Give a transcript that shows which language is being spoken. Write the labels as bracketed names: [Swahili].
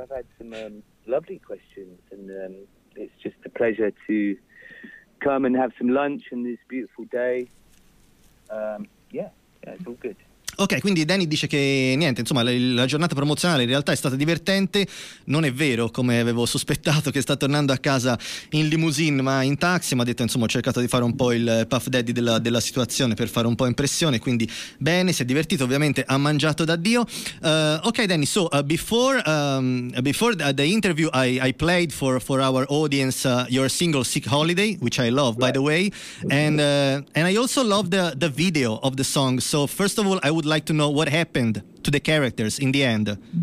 [English] I've had some lovely questions, and it's just a pleasure to come and have some lunch in this beautiful day. It's all good. [Italian] Ok, quindi Danny dice che niente, insomma, la giornata promozionale in realtà è stata divertente. Non è vero, come avevo sospettato, che sta tornando a casa in limousine ma in taxi. Ma ha detto, insomma, ho cercato di fare un po' il Puff Daddy della situazione per fare un po' impressione. Quindi bene, si è divertito, ovviamente ha mangiato da Dio. [English] Ok Danny, so before the interview I played for our audience your single Sick Holiday, which I love, by the way, and I also love the video of the song. So first of all, I would like to know what happened to the characters in the end.